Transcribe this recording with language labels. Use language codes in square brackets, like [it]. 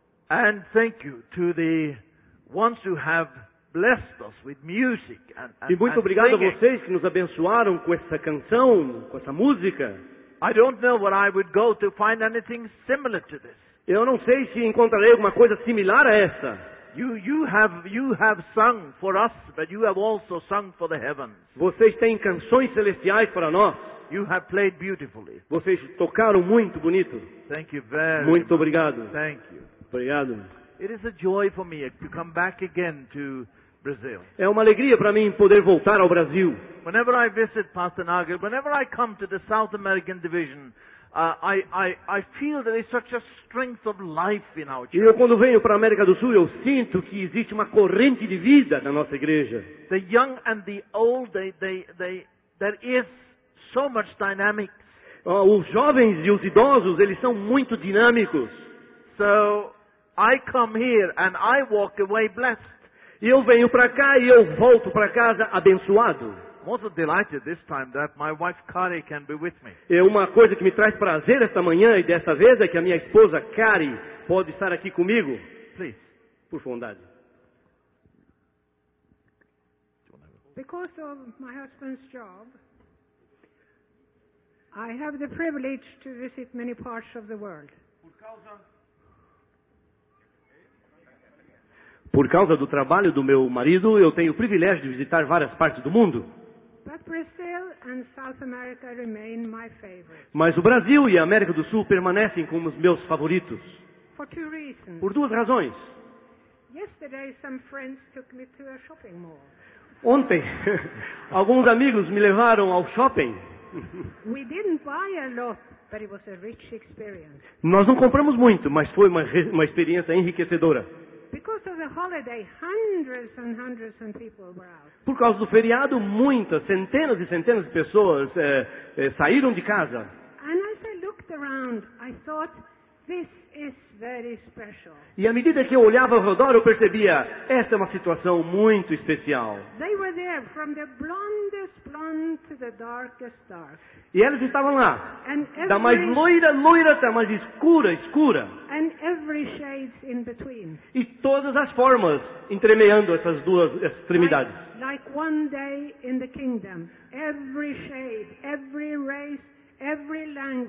[en] And thank you to the ones who have blessed us with music and singing. [pt] E muito obrigado a vocês que nos abençoaram com essa canção, com essa música. [en] I don't know where I would go to find anything similar to this. [pt] Eu não sei se encontrarei alguma coisa similar a essa. [en] You have sung for us, but you have also sung for the heavens. [pt] Vocês têm canções celestiais para nós. [en] You have played beautifully. [pt] Vocês tocaram muito bonito. [en] Thank you very [pt] muito [en] much. [pt] Obrigado. [en] Thank you. [pt] Obrigado. [en] It is a joy for me to come back again to Brazil. [pt] É uma alegria para mim poder voltar ao Brasil. [en] Whenever I visit Pastor Nagel, whenever I come to the South American division, I feel there is such a strength of life in our church. [pt] E eu quando venho para a América do Sul, eu sinto que existe uma corrente de vida na nossa igreja. [en] The young and the old, they there is so much dynamics. [pt] Os jovens e os idosos, eles são muito dinâmicos. [en] So I come here and I walk away blessed. [pt] E eu venho para cá e eu volto para casa abençoado. [en] Also delighted this time that my wife Kari can be with me. [pt] É uma coisa que me traz prazer esta manhã e desta vez é que a minha esposa Kari pode estar aqui comigo. [en] Please. [pt] Por bondade. [en] Because of my husband's job, I have the privilege to visit many parts of the world. [pt] Por causa do trabalho do meu marido, eu tenho o privilégio de visitar várias partes do mundo. [en] But Brazil and South America remain my favorite. [pt] Mas o Brasil e a América do Sul permanecem como os meus favoritos. [en] For two reasons. [pt] Por duas razões. [en] Yesterday, some friends took me to a shopping mall. [pt] Ontem, alguns amigos me levaram ao shopping. [en] We didn't buy a lot, but it was a rich experience. [pt] Nós não compramos muito, mas foi uma experiência enriquecedora. [en] Because of the holiday, hundreds and hundreds of people were out. [pt] Por causa do feriado, muitas, centenas e centenas de pessoas saíram de casa. [en] And as I looked around, I thought, this is very special. [pt] E à medida que eu olhava ao redor, eu percebia, esta é uma situação muito especial. [en] They were there, from the blondest blonde to the darkest dark. [pt] E elas estavam lá, da mais loira, loira, até mais escura, escura. [en] And every shades in between. [pt] E todas as formas, entremeando essas duas extremidades. [en] Like one day in the kingdom, every shade, every race, every language.